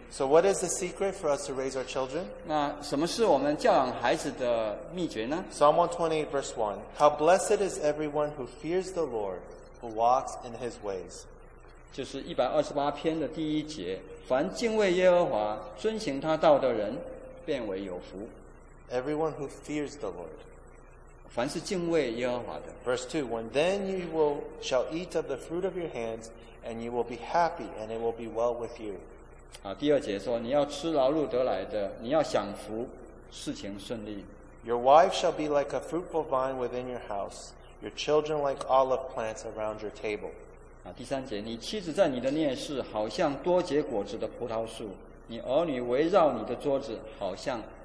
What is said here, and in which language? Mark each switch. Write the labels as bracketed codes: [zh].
[en] So what is the secret for us to raise our children? [zh] 那什么是我们教养孩子的秘诀呢？ [en] Psalm 128 verse 1. How blessed is everyone who fears the Lord, who walks in His ways. [zh] 就是128篇的第一节，凡敬畏耶和华、遵行他道的人，便为有福。 [en] Everyone who fears the Lord. [zh] 凡是敬畏耶和华的。 [en] Verse 2, when then you will shall eat of the fruit of your hands, and you will be happy, and it will be well with you. [zh] 啊，第二节说，你要吃劳碌得来的，你要享福，事情顺利。 [en] Your wife shall be like a fruitful vine within your house, your children like olive plants around your table. [zh] 啊，第三节，你妻子在你的内室，好像多结果子的葡萄树，你儿女围绕你的桌子，好像。